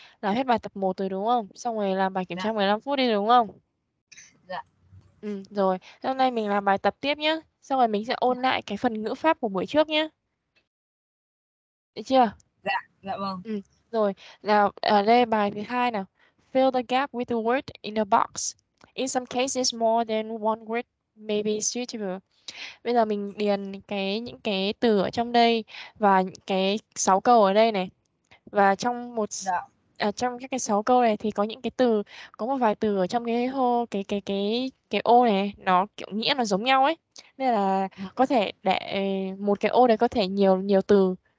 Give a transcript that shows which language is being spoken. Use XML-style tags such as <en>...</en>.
<vi>Làm hết bài tập 1 rồi đúng không? Xong rồi làm bài kiểm tra 15 phút đi đúng không? Dạ. Ừ, rồi, hôm nay mình làm bài tập tiếp nhé. Xong rồi mình sẽ ôn lại cái phần ngữ pháp của buổi trước nhé. Được chưa? Dạ, dạ vâng. Ừ, rồi, nào, ở đây bài thứ hai nào.</vi> <en>Fill the gap with the word in a box. In some cases, more than one word may be suitable.</en> <vi>Bây giờ mình điền những cái từ ở trong đây và những cái 6 câu ở đây này. Và trong một... Dạ. À, trong các cái 6 câu này thì có những cái từ, có một vài từ ở trong cái hô, cái ô này, nó kiểu nghĩa nó giống nhau ấy. Nên là có thể để một cái ô này có thể nhiều nhiều từ.</vi>